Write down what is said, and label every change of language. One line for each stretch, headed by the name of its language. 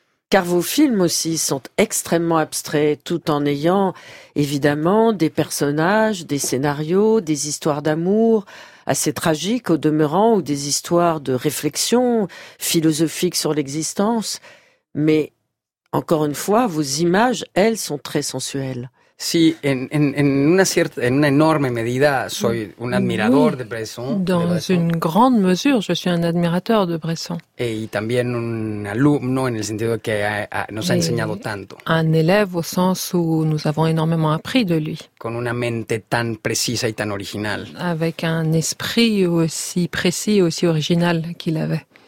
French: Car vos films aussi sont extrêmement abstraits, tout en ayant évidemment des personnages, des scénarios, des histoires d'amour assez tragiques au demeurant, ou des histoires de réflexion philosophique sur l'existence. Mais encore une fois, vos images, elles, sont très sensuelles.
Spanish: Sí, en una enorme medida soy un admirador de Bresson.
French: Dans une grande mesure, je suis un admirateur de Bresson.
Spanish: Y también un alumno en el sentido que nos ha enseñado tanto.
French: Un élève au sens où nous avons énormément appris de lui.
Spanish: Con una mente tan precisa y tan original.
French: Avec un esprit aussi précis et aussi original qu'il avait.